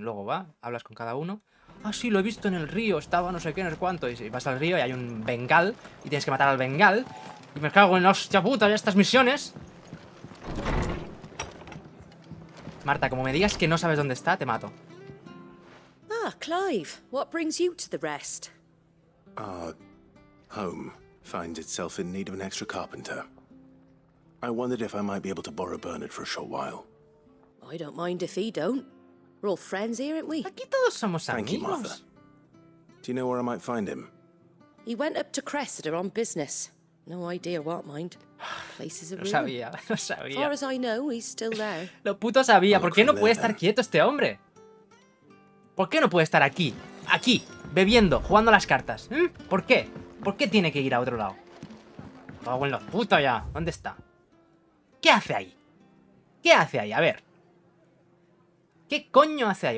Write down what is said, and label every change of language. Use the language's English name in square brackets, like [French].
[Spanish] Luego va, hablas con cada uno. Ah, sí, lo he visto en el río, estaba no sé qué, no sé cuánto. Y vas al río y hay un bengal y tienes que matar al bengal. Y me cago en la hostia puta de estas misiones. Marta, como me digas que no sabes dónde está, te mato. [English] Ah, Clive, what brings you to the rest? Our home finds itself in need of an extra carpenter. I wondered if I might be able to borrow Bernard for a short while. I don't mind if he don't. We're all friends here, aren't we? [Spanish] Aquí todos somos amigos. [English] Thank you, Martha. Do you know where I might find him? He went up to Cressida on business. No idea what, mind. Place is a ruin. [Spanish] Lo sabía, lo sabía. [English] As far as I know, he's still there. [Spanish] Lo puto sabía. ¿Por qué no puede estar quieto este hombre? ¿Por qué no puede estar aquí? Aquí, bebiendo, jugando las cartas. ¿Por qué? ¿Por qué tiene que ir a otro lado? ¡Cago en los putos ya! ¿Dónde está? ¿Qué hace ahí? ¿Qué hace ahí? A ver. ¿Qué coño hace ahí?